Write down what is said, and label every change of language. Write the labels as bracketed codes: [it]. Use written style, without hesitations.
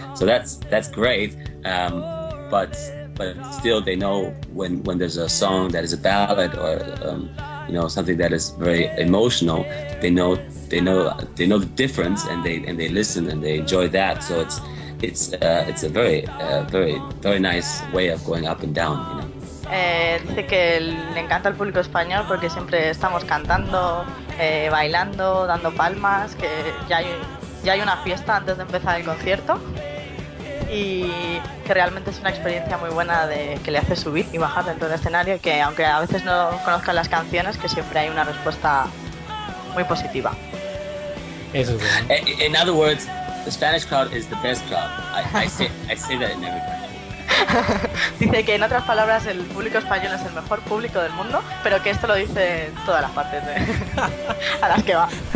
[en] So that's great. But still, they know when there's a song that is a ballad or you know something that is very emotional. They know the difference and they listen and they enjoy that. So it's a very very very nice way of going up and down, you know. [es] Dice que le encanta el público español porque siempre estamos cantando, bailando, dando palmas, que ya hay una fiesta antes de empezar el concierto y que realmente es una experiencia muy buena de que le hace subir y bajar dentro del escenario y que aunque a veces no conozcan las canciones, que siempre hay una respuesta muy positiva. Eso es bueno. [en] In other words, the Spanish crowd is the best crowd. I say that in every country. [es] Dice que en otras palabras el público español es el mejor público del mundo, pero que esto lo dice en todas las partes a las que va.